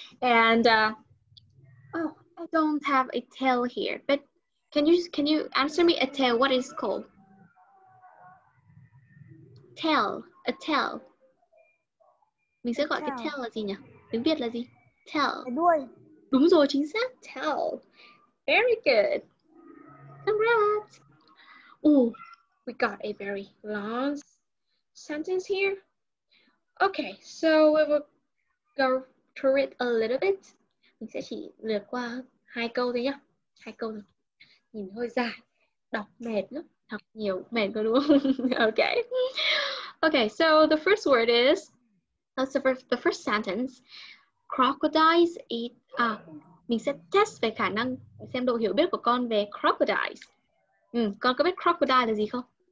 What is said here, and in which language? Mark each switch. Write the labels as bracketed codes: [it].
[en] And, I don't have a tail here, but can you answer me a tail, what is called? A tail. [vi] Mình sẽ gọi cái tail là gì nhỉ? Tiếng Việt là gì? Tail. Đuôi. Đúng rồi, chính xác, [en] tail. Very good. Congrats. Ooh. We got a very long sentence here. Okay, so we will go through it a little bit. [vi] Mình sẽ chỉ lượt qua hai câu thôi nhá. Hai câu thôi. Nhìn hơi dài, đọc mệt lắm, đọc nhiều mệt cơ luôn. [en] Okay. Okay, so the first word is the first sentence. Crocodiles eat [vi] mình sẽ test về khả năng xem độ hiểu biết của con về crocodiles. Con có biết crocodile là gì không?